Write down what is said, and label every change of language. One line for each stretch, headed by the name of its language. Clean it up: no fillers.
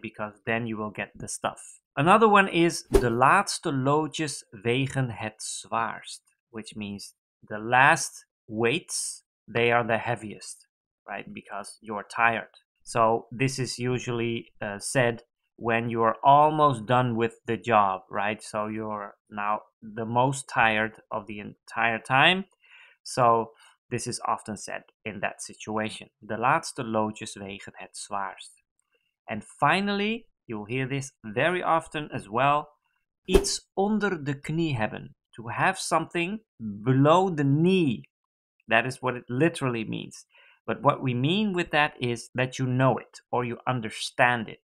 English: Because then you will get the stuff. Another one is,
Dutch: de laatste loodjes wegen het zwaarst,
English: which means the last weights, they are the heaviest, right? Because you're tired. So this is usually said when you are almost done with the job, right? So you're now the most tired of the entire time. So this is often said in that situation.
Dutch: De laatste loodjes wegen het zwaarst.
English: And finally, you'll hear this very often as well,
Dutch: iets onder de knie hebben.
English: To have something below the knee. That is what it literally means. But what we mean with that is that you know it or you understand it.